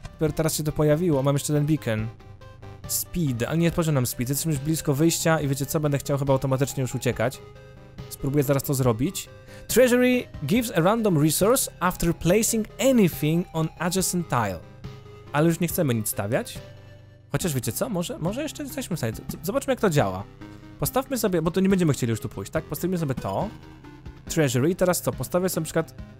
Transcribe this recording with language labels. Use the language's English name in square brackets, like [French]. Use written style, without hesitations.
[Polish] Dopiero teraz się to pojawiło. Mam jeszcze ten beacon. Speed. Ale nie poziom nam speed. Jesteśmy już blisko wyjścia i wiecie co? Będę chciał chyba automatycznie już uciekać. Spróbuję zaraz to zrobić. [English] Treasury gives a random resource after placing anything on adjacent tile. [Polish] Ale już nie chcemy nic stawiać. Chociaż wiecie co? Może jeszcze jesteśmy w stanie. Zobaczmy jak to działa. Postawmy sobie, bo to nie będziemy chcieli już tu pójść, tak? Postawimy sobie to. Treasury. Teraz co? Postawię sobie na przykład...